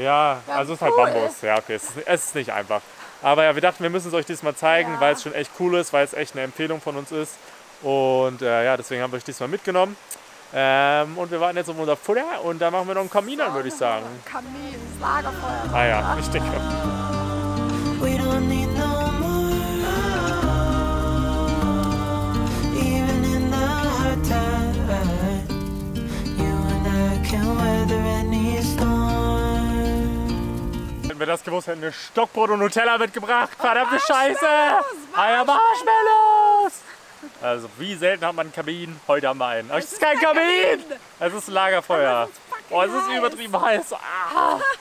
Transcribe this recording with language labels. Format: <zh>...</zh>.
<de>Ja, also es ist halt Bambus. Ja, okay, es ist nicht einfach. Aber ja, wir dachten, wir müssen es euch diesmal zeigen, weil es schon echt cool ist, weil es echt eine Empfehlung von uns ist. Und deswegen haben wir euch diesmal mitgenommen. Und wir warten jetzt auf unser Futter und da machen wir noch einen Kamin an, würde ich sagen. Kamin, das Lagerfeuer. Ah ja, ich denke.</de> <en>We don't need no more, even in the hard time, you and I can weather any storm.</en> <de>Hätten wir das gewusst, hätten wir Stockbrot und Nutella mitgebracht. Verdammte Scheiße! Eier Marshmallows! Also, wie selten hat man einen Kamin? Heute haben wir einen. Aber es ist kein Kamin! Es ist Lagerfeuer. Oh, es ist übertrieben heiß. Ah.</de>